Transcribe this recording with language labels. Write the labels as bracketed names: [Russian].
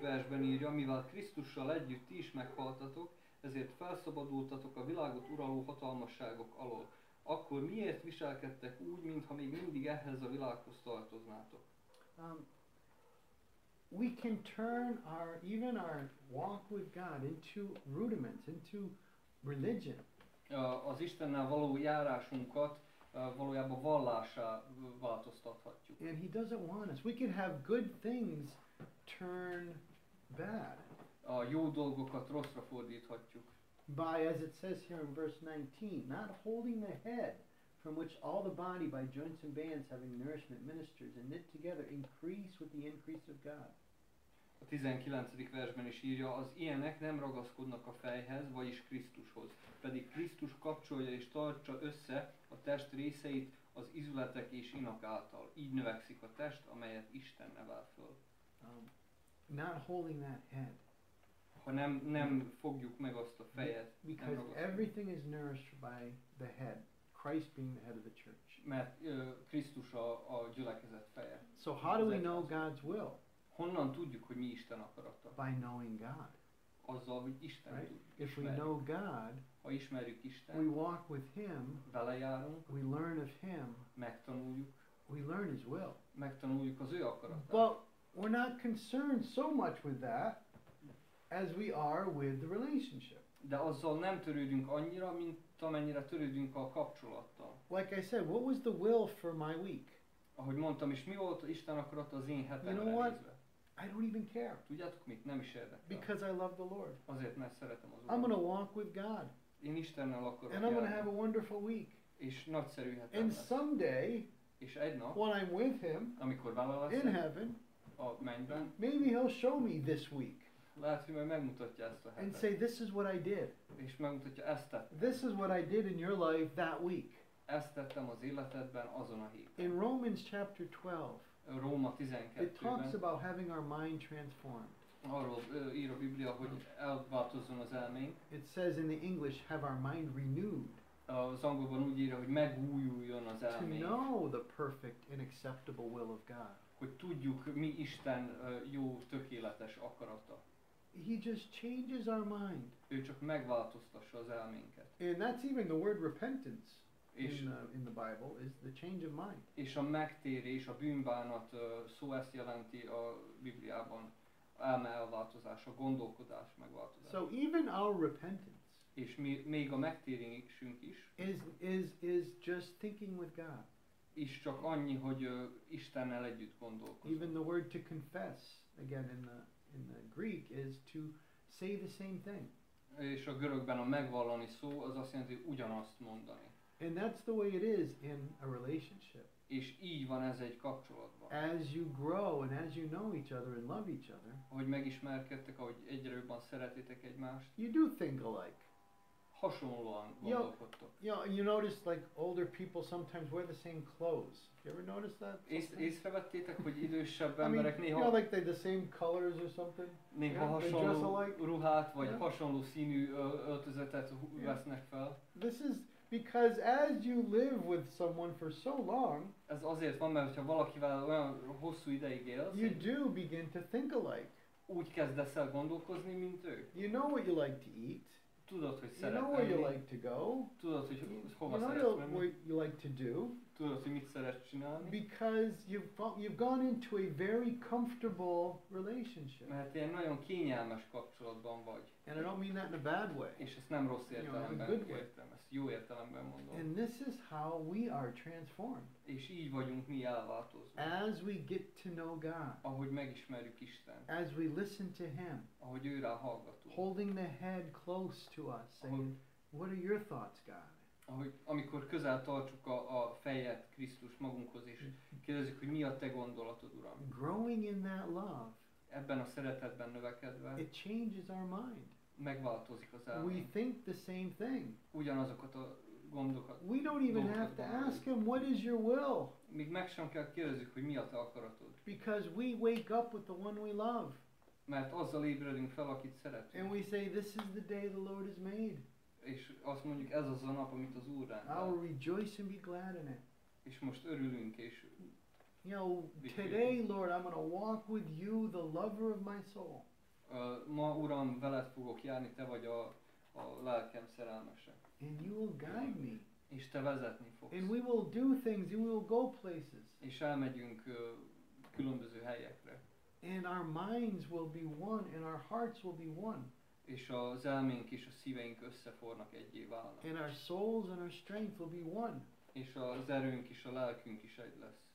[Hungarian] versben írja, amivel Krisztussal együtt is meghaltatok, ezért felszabadultatok a világot uraló hatalmasságok alól. Akkor miért viselkedtek úgy, mintha még mindig ehhez a világhoz tartoznátok? [English] We can turn our walk with God into rudiments, into religion. [Hungarian] Az Istennel való járásunkat valójában vallássá változtathatjuk. [English] And he doesn't want us. We can have good things turn bad. [Hungarian] A jó dolgokat rosszra fordíthatjuk. [English] By, as it says here in verse 19, not holding the head, from which all the body by joints and bands having nourishment ministers and knit together increase with the increase of God. [Hungarian] a 19. versben is írja, az ilyenek nem ragaszkodnak a fejhez, vagyis Krisztushoz, pedig Krisztus kapcsolja és tartsa össze a test részeit az izületek és inak által. Így növekszik a test, amelyet Isten nevel föl. [English] Not holding that head. [Hungarian] Ha nem fogjuk meg azt a fejet. [English] Because everything is nourished by the head. Christ being the head of the church. [Hungarian] Mert Krisztus a gyülekezet feje. [English] So how do we know God's will? [Hungarian] Honnan tudjuk, hogy mi Isten akarata? [English] By knowing God. [Hungarian] Azzal, hogy Isten [English] right? [Hungarian] tudjuk. [English] If we know God, [Hungarian] ha ismerjük Isten, [English] we walk with Him, [Hungarian] vele járunk, [English] we learn of Him, [Hungarian] megtanuljuk, [English] we learn His will. [Hungarian] Megtanuljuk az ő akaratát. [English] But we're not concerned so much with that as we are with the relationship. [Hungarian] De azzal nem törődünk annyira, mint amennyire törődünk a kapcsolattal. [English] Like I said, what was the will for my week? [Hungarian] Ahogy mondtam, és mi volt Isten akarata az én hetemre nézve? [English] You know what? I don't even care. [Hungarian] Tudjátok mit? Nem is érdekel. [English] Because I love the Lord. [Hungarian] Azért, mert szeretem az Urat. [English] I'm going to walk with God. [Hungarian] Én Istennel akarok járni. [English] And I'm going to have a wonderful week. [Hungarian] És nagyszerű hetem. [English] And someday, [Hungarian] és egy nap, [English] when I'm with Him, [Hungarian] amikor vele leszek, [English] in heaven, [Hungarian] a mennyben, [English] maybe He'll show me this week. [Hungarian] Lehet, hogy majd megmutatja ezt a hetet. [English] And say, this is what I did. [Hungarian] És megmutatja, ezt tettem. [English] This is what I did in your life that week. [Hungarian] Ezt tettem az életedben azon a héten. [English] In Romans chapter 12, [Hungarian] Róma 12-ben, [English] it talks about having our mind transformed. [Hungarian] Arról ír a Biblia, hogy elváltozzon az elménk. [English] It says in the English, have our mind renewed. [Hungarian] Az angolban úgy ír, hogy megújuljon az elménk. [English] To know the perfect and acceptable will of God. [Hungarian] Hogy tudjuk, mi Isten jó, tökéletes akarata. [English] He just changes our mind. [Hungarian] Ő csak megváltoztassa az elménket. [English] And that's even the word repentance in the Bible is the change of mind. [Hungarian] És a megtérés, a bűnbánat szó ezt jelenti a Bibliában, elme elváltozás, a gondolkodás megváltozás. [English] So even our repentance. [Hungarian] És még a megtérésünk is. [English] Is just thinking with God. [Hungarian] És csak annyi, hogy Istennel együtt gondolkozunk. [English] Even the word to confess again in the Greek is to say the same thing. [Hungarian] És a görögben a megvallani szó az azt jelenti, hogy ugyanazt mondani. [English] And that's the way it is in a relationship. [Hungarian] És így van ez egy kapcsolatban. [English] As you grow and as you know each other and love each other. [Hungarian] Ahogy megismerkedtek, ahogy egyre jobban szeretitek egymást. [English] You do think alike. [Hungarian] Hasonlóan gondolkodtok. [English] You notice like older people sometimes wear the same clothes. You ever notice that? [Hungarian] Észrevettétek, hogy idősebb emberek [English] I mean, [Hungarian] néha... [English] You know, like the same colors or something? [Hungarian] Néha [English] yeah, [Hungarian] hasonló [English] alike. [Hungarian] Ruhát, vagy yeah. hasonló színű öltözetet vesznek fel. [English] This is because as you live with someone for so long... [Hungarian] Ez azért van, mert ha valakivel olyan hosszú ideig élsz... [English] You do begin to think alike. [Hungarian] Úgy kezdesz el gondolkozni, mint ő. [English] You know what you like to eat. [Hungarian] Tudod, hogy szeret, [English] you know where you like to go. [Hungarian] Tudod, hogy hova [English] you know what you like to do. [Hungarian] Tudod, hogy mit szeret csinálni. [English] Because you've gone into a very comfortable relationship. [Hungarian] Mert ilyen nagyon kényelmes kapcsolatban vagy. [English] And I don't mean that in a bad way. [Hungarian] És ezt nem rossz értelemben [English] you know, [Hungarian] értem, ezt jó értelemben mondom. [English] And this is how we are transformed. [Hungarian] És így vagyunk mi elváltozva. [English] As we get to know God. [Hungarian] Ahogy megismerjük Isten. [English] As we listen to Him. [Hungarian] Ahogy őre hallgatunk. [English] Holding the head close to us, saying, what are your thoughts, God? [Hungarian] Ahogy, amikor közel tartsuk a fejet Krisztus magunkhoz, és kérdezzük, hogy mi a te gondolatod, Uram. [English] Growing in that love. [Hungarian] Ebben a szeretetben növekedve. [English] It changes our mind. [Hungarian] Megváltozik az elménk. [English] We think the same thing. [Hungarian] Ugyanazokat a gondokat. [English] We don't even have to ask Him, what is your will? [Hungarian] Még meg sem kell kérdezzük, hogy mi a te akaratod. [English] Because we wake up with the one we love. [Hungarian] Mert azzal ébredünk fel, akit szeretünk. [English] And we say, this is the day the Lord has made. [Hungarian] És azt mondjuk, ez az a nap, amit az Úr rendelt. [English] I'll rejoice and be glad in it. [Hungarian] És most örülünk, és... [English] You know, today, Lord, I'm going to walk with you, the lover of my soul. [Hungarian] Ma, Uram, veled fogok járni, te vagy a lelkem szerelmese. [English] And you will guide me. [Hungarian] És te vezetni fogsz. [English] And we will do things, you will go places. [Hungarian] És elmegyünk különböző helyekre. [English] And our minds will be one, and our hearts will be one. [Hungarian] És az elménk és a szíveink összefornak egyé válnak. [English] And our souls and our strength will be one. [Hungarian] És az erőnk és a lelkünk is egy lesz.